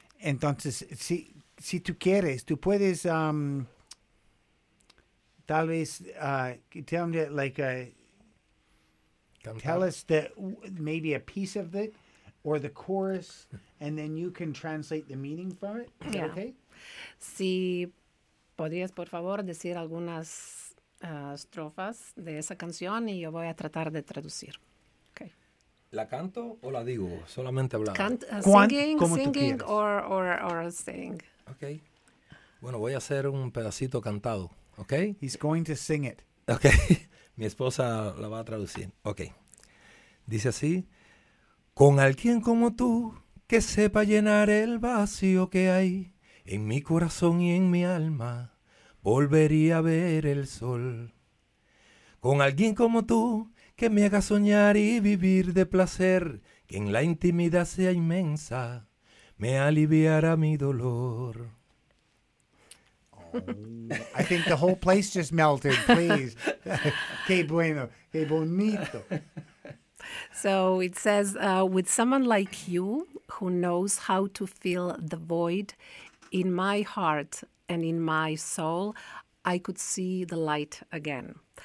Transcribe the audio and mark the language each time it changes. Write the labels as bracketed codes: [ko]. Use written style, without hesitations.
[es] Entonces, si tú quieres, tú puedes, tal vez, [en] tell me, tell us that maybe a piece of it or the chorus, and then you can translate the meaning from it. Is that okay? [es] Si podrías, por favor, decir algunas estrofas de esa canción y yo voy a tratar de traducir. ¿La canto o la digo? Solamente hablando. [en] Singing or sing. [es] Okay. Bueno, voy a hacer un pedacito cantado. ¿Ok? [en] He's going to sing it. [es] Ok. Mi esposa la va a traducir. Ok. Dice así. Con alguien como tú que sepa llenar el vacío que hay en mi corazón y en mi alma, volvería a ver el sol. Con alguien como tú que me haga soñar y vivir de placer, que en la intimidad sea inmensa, me aliviará mi dolor. Oh, [en] I think the whole place just melted, please. [es] Qué bueno, qué bonito. [en] So it says, with someone like you who knows how to fill the void in my heart and in my soul, I could see the light again.